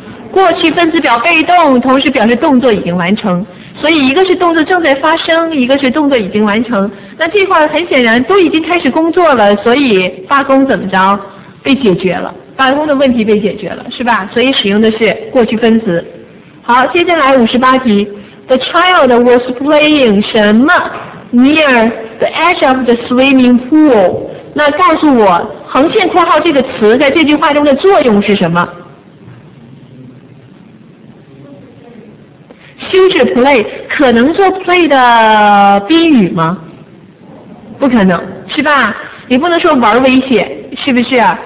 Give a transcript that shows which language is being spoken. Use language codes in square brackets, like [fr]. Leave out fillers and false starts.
[zh] 过去分词表被动，同时表示动作已经完成，所以一个是动作正在发生，一个是动作已经完成。那这块很显然都已经开始工作了，所以罢工怎么着被解决了，罢工的问题被解决了，是吧？所以使用的是过去分词。好，接下来58题， [en] The child was playing [zh] 什么 [en] near the edge of the swimming pool。 [zh] 那告诉我，横线括号这个词在这句话中的作用是什么？修饰 play， 可能做 play 的宾语吗？不可能，是吧？你不能说玩危险，是不是？